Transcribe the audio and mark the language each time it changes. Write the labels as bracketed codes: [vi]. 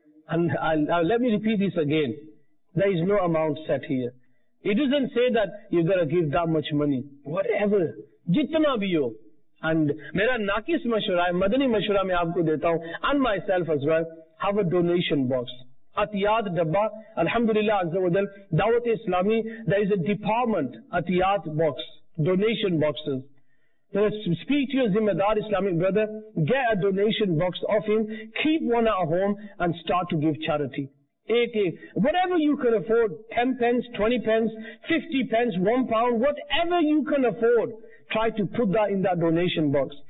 [en] And let me repeat this again. There is no amount set here. It doesn't say that you gotta give that much money. Whatever. [ur] جتنا بھی ہو۔ And میرا ناقص مشورہ ہے, مدنی مشورہ میں آپ کو دیتا ہوں, [en] and myself as well, have a donation box. [ur] عطیات ڈبہ, الحمدللہ عزوجل, دعوتِ اسلامی, [en] there is a department, [ur] عطیات box, [en] donation boxes. Speak to your Zimmedar Islamic brother, get a donation box of him, keep one at home, and start to give charity. Whatever you can afford, 10 pence, 20 pence, 50 pence, 1 pound, whatever you can afford, try to put that in that donation box.